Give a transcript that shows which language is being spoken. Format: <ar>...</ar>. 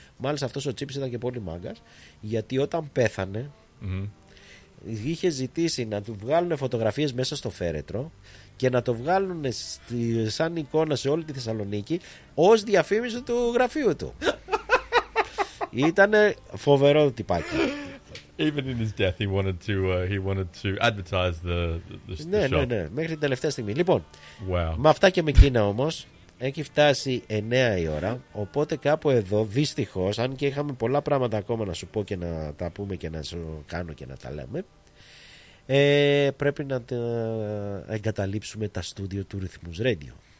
<el>Μάλιστα αυτός ο Τσίπης ήταν και πολύ μάγκας γιατί όταν πέθανε είχε ζητήσει να του βγάλουν φωτογραφίες μέσα στο φέρετρο και να το βγάλουν σαν εικόνα σε όλη τη Θεσσαλονίκη ως διαφήμιση του γραφείου του. Ήτανε φοβερό τυπάκι.</el> <en>Even in his death he wanted to advertise the show.</en> <el>Ναι, μέχρι την τελευταία στιγμή. Λοιπόν, wow. Με αυτά και με εκείνα όμως Έχει φτάσει 9 η ώρα, οπότε κάπου εδώ δυστυχώς, αν και είχαμε πολλά πράγματα ακόμα να σου πω και να τα πούμε και να σου κάνω και να τα λέμε, πρέπει να εγκαταλείψουμε τα στούντιο του Rhythmus Radio.</el>